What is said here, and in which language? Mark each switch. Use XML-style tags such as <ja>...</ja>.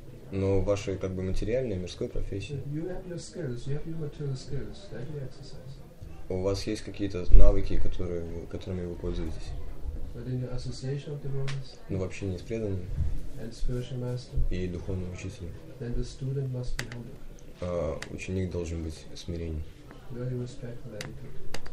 <ru>Но в вашей как бы материальной мирской профессии.</ru> <en>You have your skills, you have your material skills that you exercise.</en> <ru>У вас есть какие-то навыки, которыми вы пользуетесь.</ru> <en>But in your association of devotees.</en> <ru>Но в общении с преданными.</ru> <en>And spiritual master.</en> <ru>И духовным учителем.</ru> <en>Then the student must be humble.</en> <ru>Ученик должен быть смиренен.</ru> <en>Very respectful attitude.</en>